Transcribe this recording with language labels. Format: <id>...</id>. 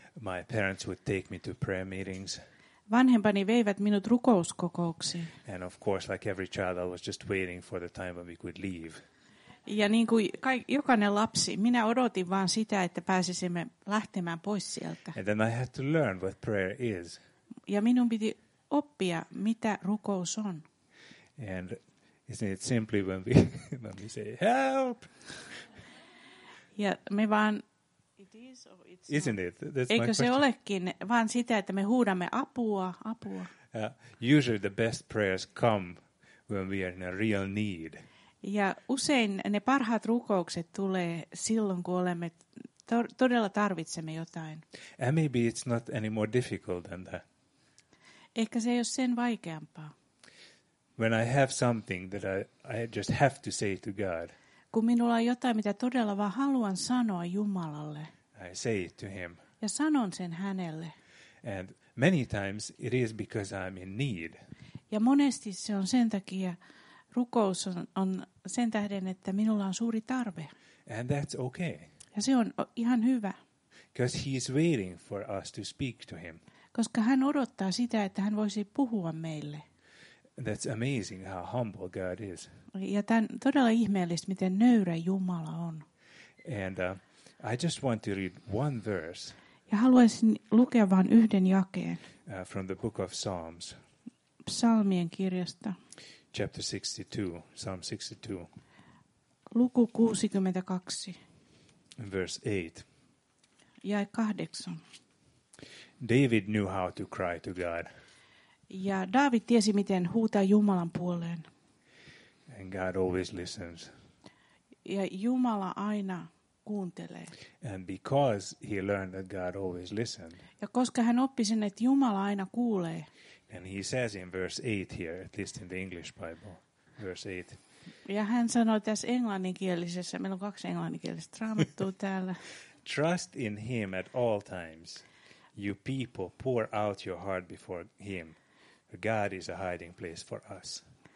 <en>my parents would take me to prayer meetings.</en> <fi>Vanhempani veivät minut rukouskokouksiin.</fi> <en>And of course, like every child, I was just waiting for the time when we could leave.</en> <fi>Ja niin kuin jokainen lapsi, minä odotin vaan sitä, että pääsisimme lähtemään pois sieltä.</fi> <en>And then I had to learn what prayer is.</en> <fi>Ja minun piti oppia, mitä rukous on.</fi> <en>And isn't it simply when we say help?</en> <fi>Ja me vaan...</fi> <en>Isn't it? That's</en> <fi>eikö my se olekin vaan sitä, että me huudamme apua, apua.</fi> <en>Usually the best prayers come when we are in a real need.</en> <fi>Ja usein ne parhaat rukoukset tulee silloin, kun olemme todella tarvitsemme jotain.</fi> <en>And maybe it's not any more difficult than that.</en> <fi>Ehkä se ei ole sen vaikeampaa.</fi> <en>When I have something that I just have to say to God.</en> <fi>Kun minulla on jotain, mitä todella vaan haluan sanoa Jumalalle.</fi> <en>I say it to him.</en> <fi>Ja sanon sen hänelle.</fi> <en>And many times it is because I'm in need.</en> <fi>Ja monesti se on sen takia, rukous on sen tähden, että minulla on suuri tarve.</fi> <en>And that's okay.</en> <fi>Ja se on ihan hyvä.</fi> <en>Because he is waiting for us to speak to him.</en> <fi>Koska hän odottaa sitä, että hän voisi puhua meille.</fi> <en>That's amazing how humble God is.</en> <fi>Ja tämä on todella ihmeellistä, miten nöyrä Jumala on.</fi> <en>And I just want to read one verse.</en> <fi>Ja haluaisin lukea vain yhden jakeen.</fi> <en>From the book of Psalms.</en> <fi>Psalmien kirjasta.</fi> <en>Chapter 62, Psalm 62.</en> <fi>Luku 62.</fi> <en>Verse 8.</en> <fi>Jae 8.</fi> <en>David knew how to cry to God.</en> <fi>Ja David tiesi, miten huutaa Jumalan puoleen.</fi> <en>And God always listens.</en> <fi>Ja Jumala aina kuuntelee.</fi> <en>And because he learned that God always listened.</en> <fi>Ja koska hän oppi sen, että Jumala aina kuulee.</fi> <en>And he says in verse 8 here, at least in the English Bible, verse 8.</en> <fi>Ja hän sanoi tässä englanninkielisessä, meillä on kaksi englanninkielistä raamattua täällä.</fi> <en>Trust in him at all times. You people pour out your heart before him. God is a hiding place for us.</en>